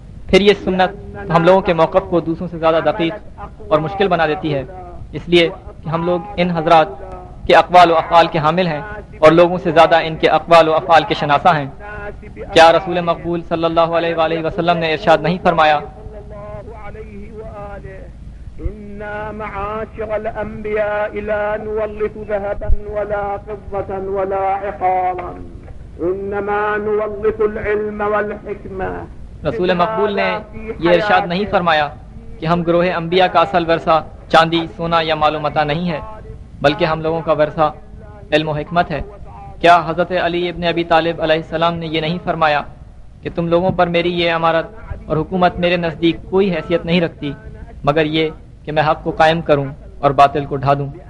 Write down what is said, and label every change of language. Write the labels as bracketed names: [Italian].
[Urdu] پھر یہ سنت ہم لوگوں کے موقف کو دوسروں سے زیادہ دقیق اور مشکل بنا دیتی ہے، اس لیے کہ ہم لوگ ان حضرات کے اقوال و افعال کے حامل ہیں اور لوگوں سے زیادہ ان کے اقوال و افعال کے شناسا ہیں۔ کیا رسول مقبول صلی اللہ علیہ وآلہ وسلم نے ارشاد نہیں فرمایا، [Arabic] إنا معاشر الأنبياء لا نولف ذهبا ولا فضة ولا عقارا إنما نولف العلم والحكمة۔ [Urdu] رسول مقبول نے یہ ارشاد نہیں فرمایا کہ ہم گروہ انبیاء کا اصل ورثہ چاندی سونا یا مال و متاع نہیں ہے، بلکہ ہم لوگوں کا ورثہ علم و حکمت ہے۔ کیا حضرت علی ابن ابی طالب علیہ السلام نے یہ نہیں فرمایا کہ تم لوگوں پر میری یہ امارت اور حکومت میرے نزدیک کوئی حیثیت نہیں رکھتی مگر یہ کہ میں حق کو قائم کروں اور باطل کو ڈھا دوں؟